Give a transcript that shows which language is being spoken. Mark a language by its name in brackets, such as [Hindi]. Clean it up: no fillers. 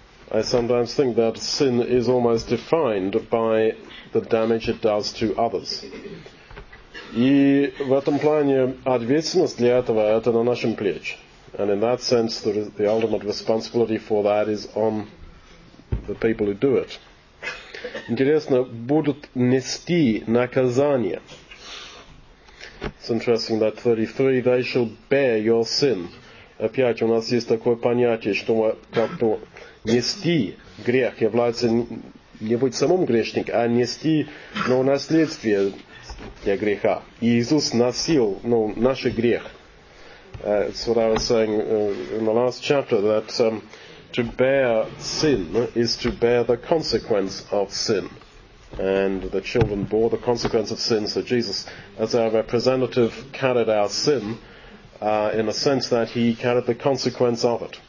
[English] I sometimes think that sin is almost defined by the damage it does to others. [Russian] И в этом плане ответственность для этого – это на нашем плече. [English] And in that sense, the ultimate responsibility for that is on the people who do it. [Russian] Интересно, будут нести наказание. [English] It's interesting that 33, they shall bear your sin. [Russian] Опять, у нас есть такое понятие, что как-то нести грех является не быть самым грешником, а нести наследствие для греха. И Иисус носил наш грех. [English] It's what I was saying in the last chapter, that to bear sin is to bear the consequence of sin. And the children bore the consequence of sin, so Jesus, as our representative, carried our sin in a sense that he carried the consequence of it.